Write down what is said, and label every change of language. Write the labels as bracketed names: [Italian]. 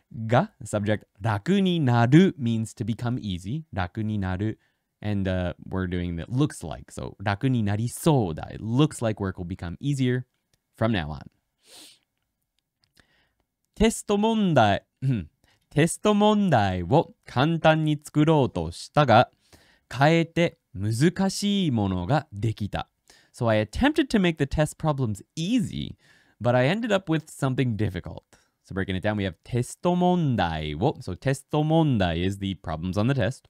[English] が subject 楽になる means to become easy 楽になる and we're doing the looks like so [Japanese] 楽になりそうだ [English] it looks like work will become easier from now on テスト問題 [Japanese] を簡単に作ろうとしたが変えて難しいものができた [English] So I attempted to make the test problems easy but I ended up with something difficult So breaking it down, we have [Japanese] testo mondai wo. [English] So testo mondai is the problems on the test.